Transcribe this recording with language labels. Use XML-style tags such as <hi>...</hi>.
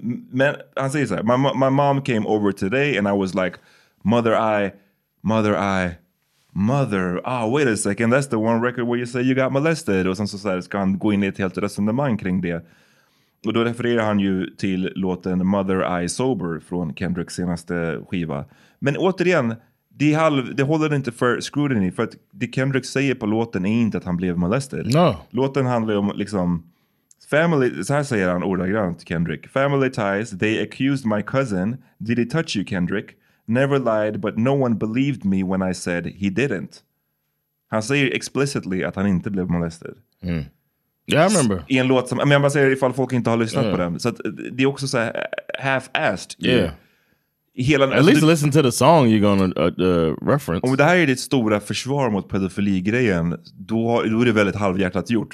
<sv>Men han säger så här,</sv> <en>my mom came over today and I was like, mother, wait a second, that's the one record where you say you got molested.</en> <sv>Och sen så ska han gå in i ett helt resonemang kring det. Och då refererar han ju till låten Mother I Sober från Kendricks senaste skiva. Men återigen, det håller inte för scrutiny, för att det Kendrick säger på låten är inte att han blev molested.</sv> <en>No.</en> <sv>Låten handlar om liksom family, så här säger han ordagrant, Kendrick.</sv> <en>Family ties, they accused my cousin. Did he touch you, Kendrick? Never lied, but no one believed me when I said he didn't.</en> <sv>Han säger explicitly att han inte blev molested.</sv> <en>Mm. Yeah, I remember.</en> <sv>I en låt som, men jag bara säger ifall folk inte har lyssnat på den. Så att, det är också så här half-assed.</sv> <en>Yeah. Listen to the song you're gonna reference.</en> <sv>Om det här är ditt stora försvar mot pedofili-grejen, då är det väldigt halvhjärtat gjort.</sv>